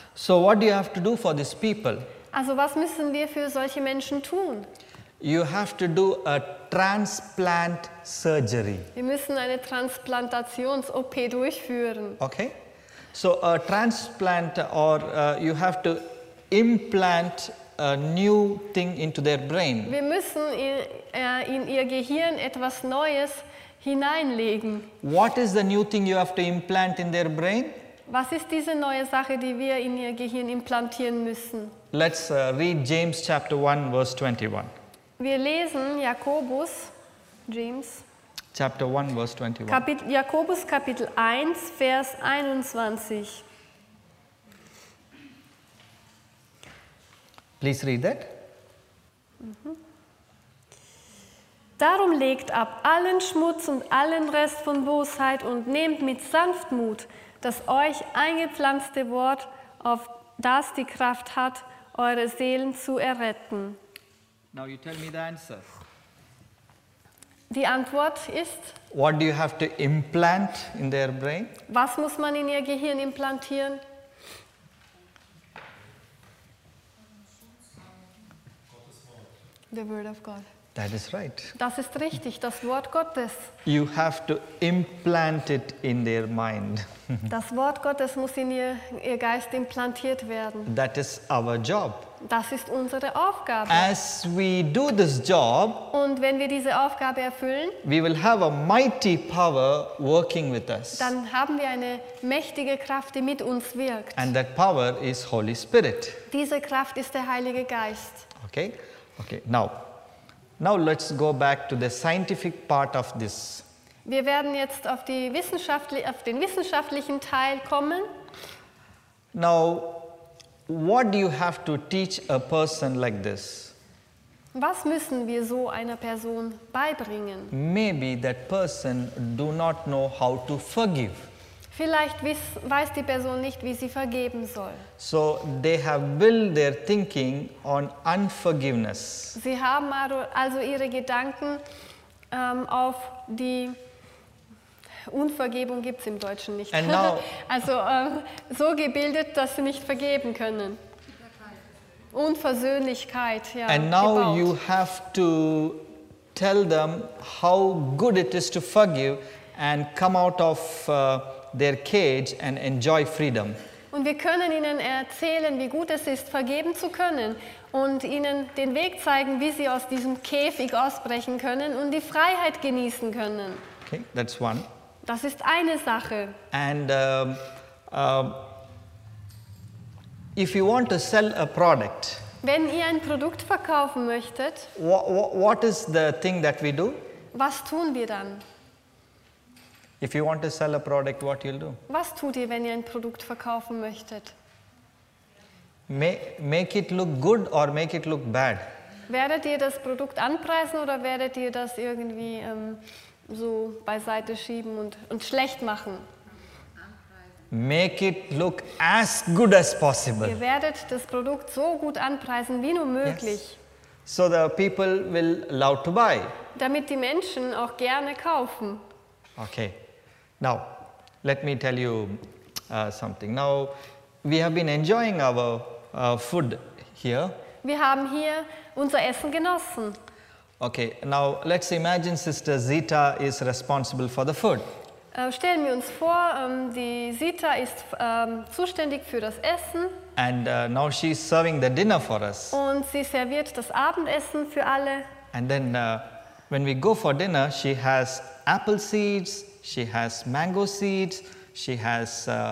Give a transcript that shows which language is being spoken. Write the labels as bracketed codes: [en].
[en] So what do you have to do for these people? [de] Also was müssen wir für solche Menschen tun? [en] You have to do a transplant surgery. [de] Wir müssen eine Transplantations-OP durchführen. [en] Okay. So a transplant or you have to implant a new thing into their brain. [de] Wir müssen in ihr Gehirn etwas Neues hineinlegen. [en] What is the new thing you have to implant in their brain? [de] Was ist diese neue Sache, die wir in ihr Gehirn implantieren müssen? [en] Let's read James chapter 1 verse 21. [de] Wir lesen Jakobus, James. [en] Chapter 1, verse 21. [de] Jakobus Kapitel 1, Vers 21. [en] Please read that. [de] Darum legt ab allen Schmutz und allen Rest von Bosheit und nehmt mit Sanftmut das euch eingepflanzte Wort, auf das die Kraft hat, eure Seelen zu erretten. [en] Now you tell me the answer. [de] Die Antwort ist, [en] what do you have to implant in their brain? [de] Was muss man in ihr Gehirn implantieren? [en] The word of God. That is right. [de] Das ist richtig, das Wort Gottes. [en] You have to implant it in their mind. [de] Das Wort Gottes muss in ihr Geist implantiert werden. [en] That is our job. [de] Das ist unsere Aufgabe. [en] As we do this job, [de] und wenn wir diese Aufgabe erfüllen, [en] we will have a mighty power working with us. [de] Dann haben wir eine mächtige Kraft, die mit uns wirkt. [en] And that power is Holy Spirit. [de] Diese Kraft ist der Heilige Geist. [en] Okay. Okay. Now let's go back to the scientific part of this. [de] Wir werden jetzt auf den wissenschaftlichen Teil kommen. [en] Now, what do you have to teach a person like this? [de] Was müssen wir so einer Person beibringen? [en] Maybe that person do not know how to forgive. [de] Vielleicht weiß die Person nicht, wie sie vergeben soll. [en] So they have built their thinking on unforgiveness. [de] Sie haben also ihre Gedanken auf die Unvergebung, gibt es im Deutschen nicht. [en] And now, [de] also so gebildet, dass sie nicht vergeben können. Unversöhnlichkeit, ja. [en] And now [de] gebaut. [en] You have to tell them how good it is to forgive and come out of their cage and enjoy freedom. [de] Und wir können ihnen erzählen, wie gut es ist, vergeben zu können und ihnen den Weg zeigen, wie sie aus diesem Käfig ausbrechen können und die Freiheit genießen können. [en] Okay, that's one. [de] Das ist eine Sache. [en] And if you want to sell a product, [de] wenn ihr ein Produkt verkaufen möchtet, [en] what is the thing that we do? [de] Was tun wir dann? [en] If you want to sell a product, what you'll do? [de] Was tut ihr, wenn ihr ein Produkt verkaufen möchtet? [en] Make it look good or make it look bad? [de] Werdet ihr das Produkt anpreisen oder werdet ihr das irgendwie so beiseite schieben und schlecht machen? [en] Make it look as good as possible. [de] Ihr werdet das Produkt so gut anpreisen wie nur möglich. [en] Yes. So the people will love to buy. [de] Damit die Menschen auch gerne kaufen. [en] Okay. Now, let me tell you something. Now, we have been enjoying our food here. [de] Wir haben hier unser Essen genossen. [en] Okay, now let's imagine Sister Zita is responsible for the food. [de] Stellen wir uns vor, die Zita ist zuständig für das Essen. [en] And now she's serving the dinner for us. [de] Und sie serviert das Abendessen für alle. [en] And then when we go for dinner, she has apple seeds, she has mango seeds, she has